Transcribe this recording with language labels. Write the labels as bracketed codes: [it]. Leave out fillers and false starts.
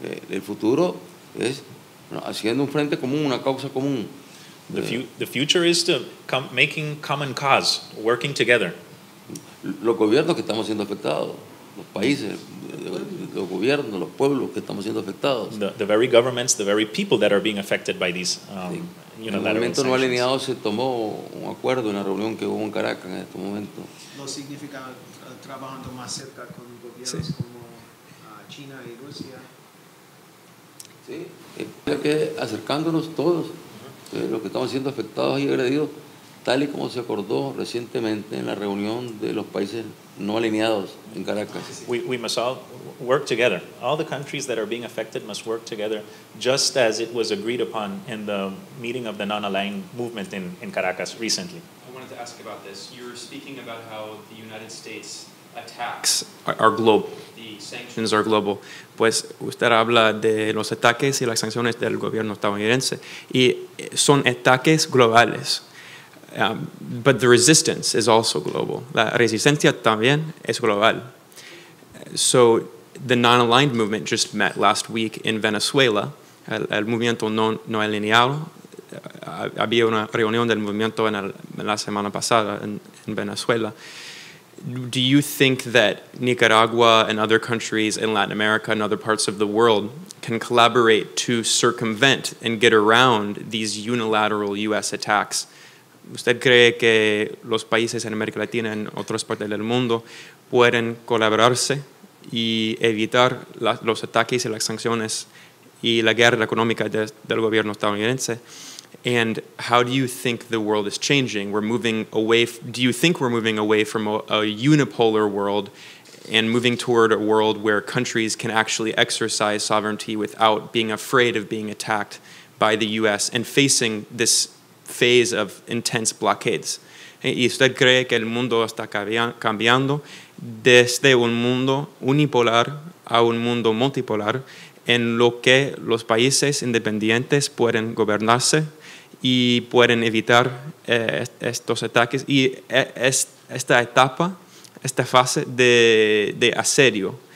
[es] el futuro es haciendo un frente común, una causa común. [en] The future is to making common cause, working together. [es] Los gobiernos que estamos siendo afectados, los países, los gobiernos, los pueblos que estamos siendo afectados. [en] The very governments, the very people that are being affected by these unilateral sanctions. [es] En el momento no alineado se tomó un acuerdo en la reunión que hubo en Caracas en este momento. ¿No significa trabajando más cerca con gobiernos como China y Rusia? Sí, que acercándonos todos, los que estamos siendo afectados y agredidos, tal y como se acordó recientemente en la reunión de los países no alineados en Caracas. [en] We must all work together. All the countries that are being affected must work together, just as it was agreed upon in the meeting of the non-aligned movement in Caracas recently. I wanted to ask about this. You were speaking about how the United States attacks are global. [es] Sanciones [en] are global. [es] Pues usted habla de los ataques y las sanciones del gobierno estadounidense y son ataques globales. [en] But the resistance is also global. [es] La resistencia también es global. [en] So the non-aligned movement just met last week in Venezuela. [es] El movimiento no alineado. Había una reunión del movimiento en la semana pasada en Venezuela. [en] Do you think that Nicaragua and other countries in Latin America and other parts of the world can collaborate to circumvent and get around these unilateral U.S. attacks? [es] ¿Usted cree que los países en América Latina y en otras partes del mundo pueden colaborarse y evitar los ataques y las sanciones y la guerra económica del gobierno estadounidense? [en] And how do you think the world is changing? Do you think we're moving away from a unipolar world and moving toward a world where countries can actually exercise sovereignty without being afraid of being attacked by the U.S. and facing this phase of intense blockades? [es] ¿Y usted cree que el mundo está cambiando desde un mundo unipolar a un mundo multipolar en lo que los países independientes pueden gobernarse y pueden evitar estos ataques y esta etapa, esta fase de asedio?